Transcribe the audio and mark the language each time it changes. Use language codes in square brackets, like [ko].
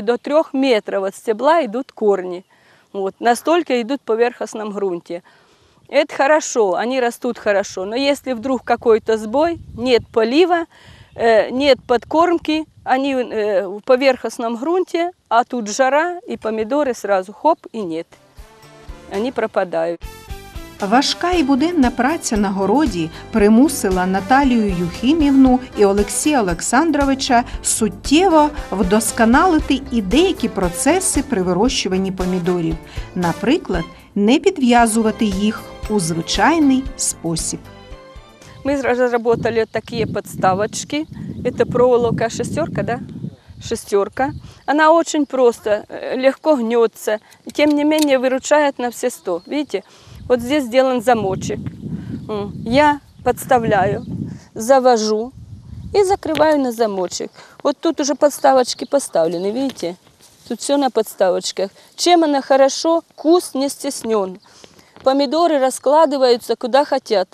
[ru] До 3 метров от стебла идут корни. Вот, настолько идут в поверхностном грунте. Это хорошо, они растут хорошо, но если вдруг какой-то сбой, нет полива, нет подкормки, они в поверхностном грунте, а тут жара и помидоры сразу хоп и нет, они пропадают. [uk] Важка і буденна праця на городі примусила Наталію Юхимівну і Олексія Олександровича суттєво вдосконалити і деякі процеси при вирощуванні помідорів. Наприклад, не підв'язувати їх у звичайний спосіб. Ми розробили такі підставочки. Це проволока шестерка, да? Шестерка. Вона дуже проста, легко гнеться, тим не менше виручає на всі 100. [ru] Видите? Вот здесь сделан замочек. Я подставляю, завожу и закрываю на замочек. Вот тут уже подставочки поставлены, видите? Тут все на подставочках. Чем она хорошо? Куст не стеснен. Помидоры раскладываются куда хотят.